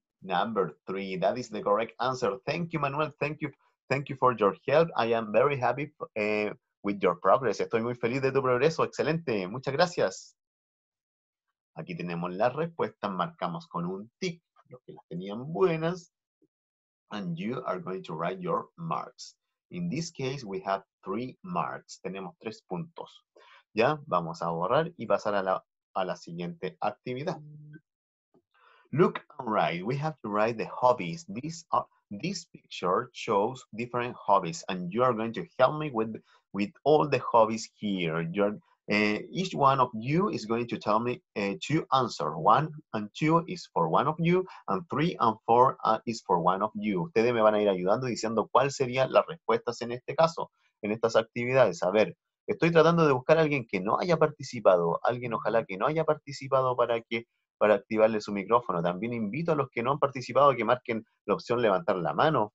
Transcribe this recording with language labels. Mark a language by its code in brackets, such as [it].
[en] Number three. That is the correct answer. Thank you, Manuel. Thank you. Thank you for your help. I am very happy with your progress. [es] Estoy muy feliz de tu progreso. Excelente. Muchas gracias. Aquí tenemos la respuesta. Marcamos con un tick lo que las tenían buenas. [en] And you are going to write your marks. In this case, we have 3 marks. [es] Tenemos 3 puntos. Ya, vamos a borrar y pasar a la siguiente actividad. [en] Look and write. We have to write the hobbies. This picture shows different hobbies. And you are going to help me with all the hobbies here. Each one of you is going to tell me two answers. One and two is for one of you, and three and four is for one of you. [es] Ustedes me van a ir ayudando diciendo cuál sería las respuestas en este caso, en estas actividades. A ver, estoy tratando de buscar a alguien que no haya participado, alguien ojalá que no haya participado para que para activarle su micrófono. También invito a los que no han participado a que marquen la opción levantar la mano.